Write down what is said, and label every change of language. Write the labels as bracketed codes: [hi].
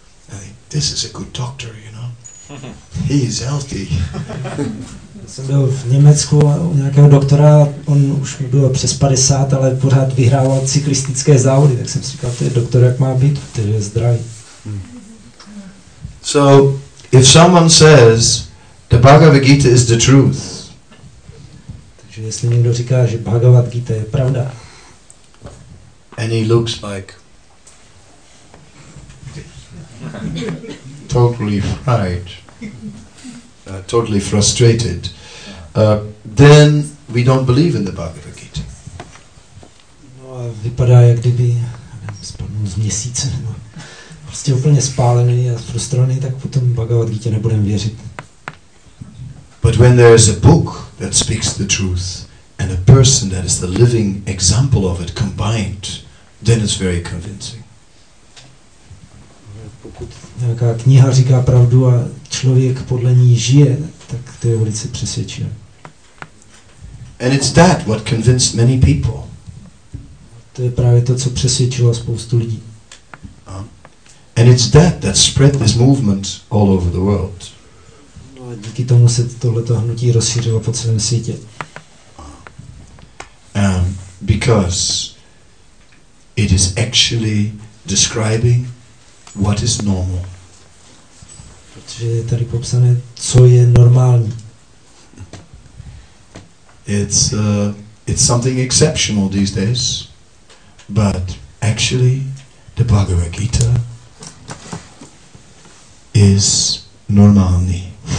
[en] I think this is a good doctor, you know. He is healthy. [cs] Já jsem byl v Německu u nějakého doktora, on už mi bylo přes 50, ale pořád vyhrával cyklistické závody, tak jsem si říkal, to je doktor, jak má být, který je zdravý. [en] So, if someone says, the Bhagavad Gita is the truth. [cs] Takže jestli někdo říká, že Bhagavad Gita je pravda. [en] And he looks like... totally fried. Totally frustrated. Then we don't believe in the Bhagavad Gita. [cs] No, vypadá, jak kdyby spadnul z měsíce, nebo prostě úplně spálený a frustrovaný, tak potom Bhagavad Gita nebudeme věřit. [en] But when there is a book that speaks the truth and a person that is the living example of it combined, then it's very convincing. [cs] Pokud nějaká kniha říká pravdu a člověk podle ní žije, tak to je velice přesvědčivé. [en] And it's that what convinced many people. [cs] To je právě to, co přesvědčilo spoustu lidí. [en] And it's that spread this movement all over the world. [cs] No, díky tomu se tohleto hnutí rozšířilo po celém světě. [en] Because it is actually describing what is normal. [cs] Protože je tady popsané, co je normální. [en] It's something exceptional these days, but actually the Bhagavad Gita is normální.